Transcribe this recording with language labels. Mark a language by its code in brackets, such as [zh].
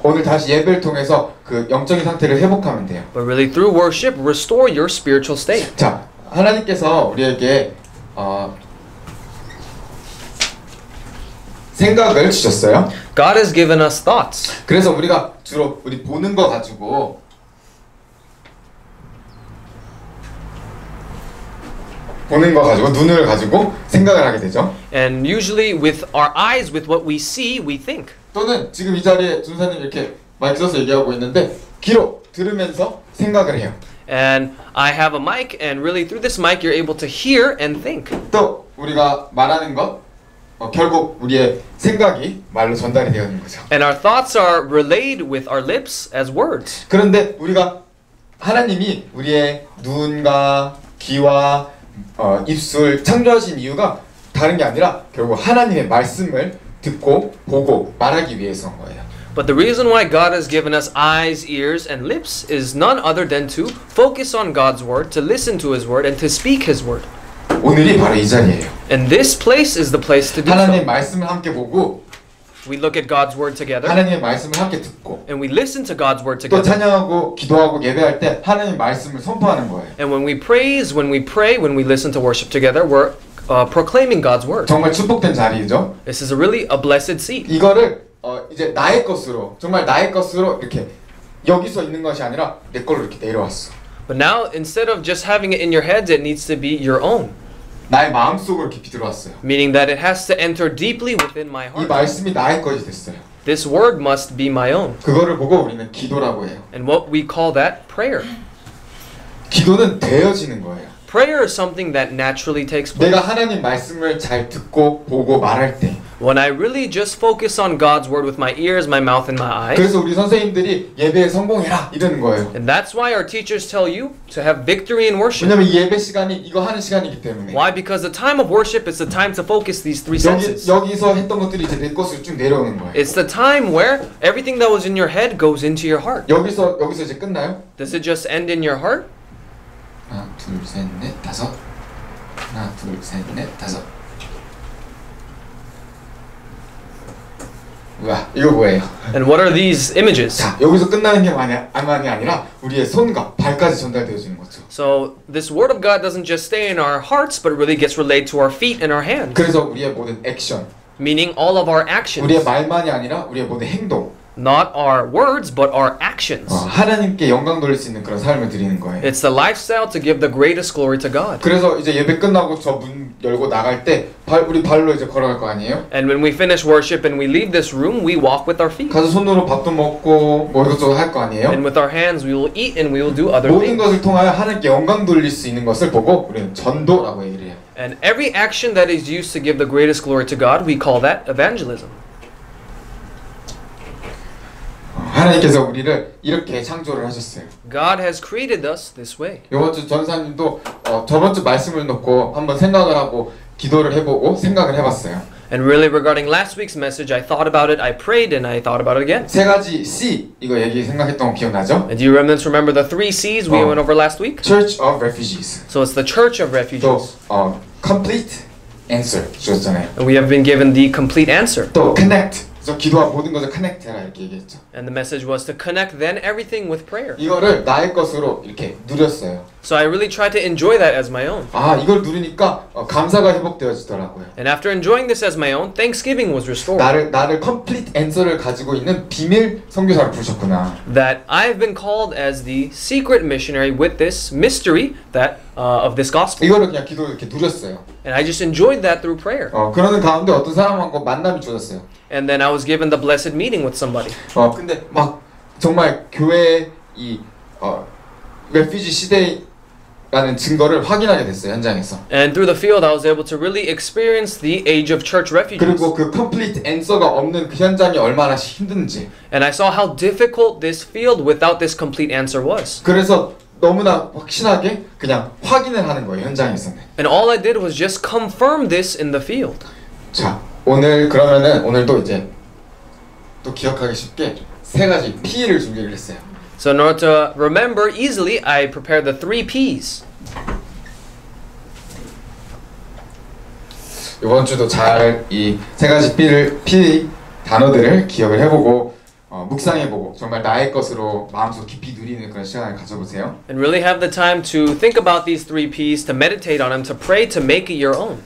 [ko] 오늘 다시 예배를 통해서 그 영적인 상태를 회복하면 돼요. [en] But really through worship, restore your spiritual state. [ko] 자, 하나님께서 우리에게 생각을 주셨어요. [en] God has given us thoughts. [ko] 그래서 우리가 주로 우리 보는 거 가지고 눈을 가지고 생각을 하게 되죠. [en] And usually with our eyes, with what we see, we think. [ko] 또는 지금 이 자리에 준사님 이렇게 마이크 써서 얘기하고 있는데 귀로 들으면서 생각을 해요. [en] And I have a mic, and really through this mic you're able to hear and think. [ko] 또 우리가 말하는 것 결국 우리의 생각이 말로 전달이 되는 거죠. [en] And our thoughts are relayed with our lips as words. [ko] 그런데 우리가 하나님이 우리의 눈과 귀와 입술 창조하신 이유가 다른 게 아니라 결국 하나님의 말씀을 듣고 보고 말하기 위해서인 거예요. [en] But the reason why God has given us eyes, ears, and lips is none other than to focus on God's word, to listen to His word, and to speak His word. [ko] 오늘이 바로 이 자리예요. [en] And this place is the place to do [ko] 하나님 하나님 말씀을 함께 보고 [en] We look at God's word together. [ko] 하나님의 말씀을 함께 듣고 [en] And we listen to God's word together. [ko] 또 찬양하고 기도하고 예배할 때 하나님의 말씀을 선포하는 거예요. [en] And when we praise, when we pray, when we listen to worship together, we're proclaiming God's word. [ko] 정말 축복된 자리죠. [en] This is a really a blessed seat. [ko] 이거를 이제 나의 것으로 정말 나의 것으로 이렇게 여기서 있는 것이 아니라 내 걸로 이렇게 내려왔어. [en] But now instead of just having it in your head, it needs to be your own. [ko] 나의 마음 속으로 깊이 들어왔어요. [en] Meaning that it has to enter deeply within my heart. [ko] 이 말씀이 나의 것이 됐어요. [en] This word must be my own. [ko] 그거를 보고 우리는 기도라고 해요. [en] And what we call that prayer. [ko] 기도는 되어지는 거예요. [en] Prayer is something that naturally takes place. [ko] 내가 하나님 말씀을 잘 듣고 보고 말할 때. [en] When I really just focus on God's word with my ears, my mouth, and my eyes. [ko] 그래서 우리 선생님들이 예배에 성공해라 이러는 거예요. [en] And that's why our teachers tell you to have victory in worship. [ko] 왜냐면 예배 시간이 이거 하는 시간이기 때문에. [en] Why? Because the time of worship is the time to focus these three senses. [ko] 여기서 했던 것들이 이제 내 것으로 쭉 내려오는 거예요. [en] It's the time where everything that was in your head goes into your heart. [ko] 여기서 이제 끝나요? [en] Does it just end in your heart? [ko] 하나, 둘, 셋, 넷, 다섯. 하나, 둘, 셋, 넷, 다섯. 와, 이거 뭐예요? [en] And what are these images? [ko] 자, 여기서 끝나는 게 아니, 아니라 우리의 손과 발까지 전달되어지는 거죠. [en] So this word of God doesn't just stay in our hearts, but it really gets relayed to our feet and our hands. [ko] 그래서 우리의 모든 액션. [en] Meaning all of our actions. [ko] 우리의 말만이 아니라 우리의 모든 행동. [en] Not our words, but our actions. [ko] 하나님께 영광 돌릴 수 있는 그런 삶을 드리는 거예요. [en] It's the lifestyle to give the greatest glory to God. [ko] 그래서 이제 예배 끝나고 저 문 열고 나갈 때 우리 발로 이제 걸어갈 거 아니에요? [en] And when we finish worship and we leave this room, we walk with our feet. [ko] 가서 손으로 밥도 먹고 뭐 이것저것 할 거 아니에요? [en] And with our hands, we will eat and we will do other [ko] 모든 모든 것을 통하여 하나님께 영광 돌릴 수 있는 것을 보고 우리는 전도라고 얘기를 해요. [en] And every action that is used to give the greatest glory to God, we call that evangelism. [ko] 하나님께서 우리를 이렇게 창조를 하셨어요. [en] God has created us this way. [ko] 이번 주 전사님도 저번 주 말씀을 놓고 한번 생각을 하고 기도를 해보고 생각을 해봤어요. [en] And really regarding last week's message, I thought about it, I prayed, and I thought about it again. [ko] 세 가지 C 이거 얘기 생각했던 거 기억나죠? [en] And do you remnants remember the three C's we went over last week? Church of Refugees. So it's the Church of Refugees. [ko] 또 complete answer 주셨잖아요. [en] And we have been given the complete answer. 또 connect. [ko] 그래서 기도와 모든 것을 커넥트해라 이렇게 얘기했죠. [en] And the message was to connect then everything with prayer. [ko] 이거를 나의 것으로 이렇게 누렸어요. [en] So I really tried to enjoy that as my own. [ko] 아, 이걸 누리니까 감사가 회복되어지더라고요. [en] And after enjoying this as my own, thanksgiving was restored. [ko] 나를 complete answer를 가지고 있는 비밀 선교사로 부르셨구나. [en] That I've been called as the secret missionary with this mystery that of this gospel. [ko] 이거를 그냥 기도로 이렇게 누렸어요. [en] And I just enjoyed that through prayer. [ko] 그러는 가운데 어떤 사람하고 만남이 주어졌어요. [en] And then I was given the blessed meeting with somebody. [ko] 근데 막 정말 교회의 이 refugee 시대라는 증거를 확인하게 됐어요, 현장에서. [en] And through the field, I was able to really experience the age of church refugees. [ko] 그리고 그 complete answer가 없는 그 현장이 얼마나 힘든지. [en] And I saw how difficult this field without this complete answer was. [ko] 그래서 너무나 확신하게 그냥 확인을 하는 거예요, 현장에서는. [en] And all I did was just confirm this in the field. [ko] 자, 오늘 그러면은 오늘도 이제 또 기억하기 쉽게 세 가지 P를 준비를 했어요. [en] So in order to remember easily, I prepared the three P's. [ko] 이번 주도 잘 이 세 가지 P 단어들을 기억을 해보고 묵상해보고 정말 나의 것으로 마음속 깊이 누리는 그런 시간을 가져보세요. [en] And really have the time to think about these three P's, to meditate on them, to pray, to make it your own.